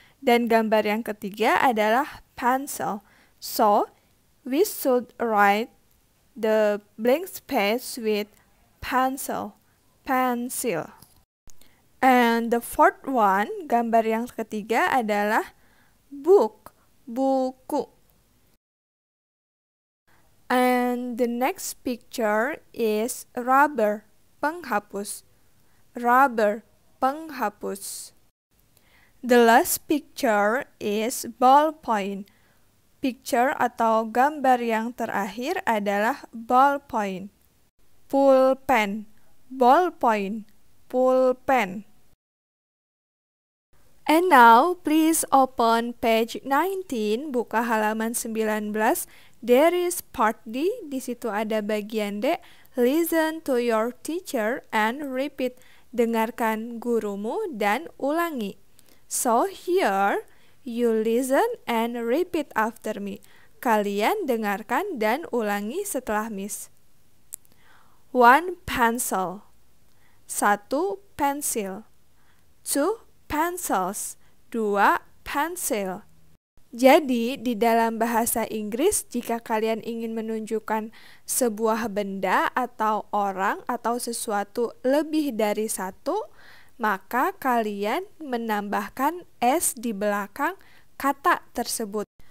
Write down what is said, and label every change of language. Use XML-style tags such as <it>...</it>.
<id>Dan gambar yang ketiga adalah pencil.</id> <en>So, we should write the blank space with pencil, pencil. And the fourth one,</en> <id>gambar yang ketiga adalah</id> <en>book, buku. And the next picture is rubber, penghapus. Rubber, penghapus. The last picture is ballpoint.</en> <id>Picture atau gambar yang terakhir adalah ballpoint. Pulpen, ballpoint, pulpen.</id> <en>And now, please open page 19,</en> <id>buka halaman 19.</id> <en>There is part D,</en> <id>di situ ada bagian D.</id> <en>Listen to your teacher and repeat.</en> <id>Dengarkan gurumu dan ulangi.</id> <en>So here, you listen and repeat after me.</en> <id>Kalian dengarkan dan ulangi setelah Miss.</id> <en>One pencil.</en> <id>Satu pensil.</id> <en>Two pencils.</en> <id>Dua pensil. Jadi, di dalam bahasa Inggris, jika kalian ingin menunjukkan sebuah benda atau orang atau sesuatu lebih dari satu, maka kalian menambahkan S di belakang kata tersebut.</id>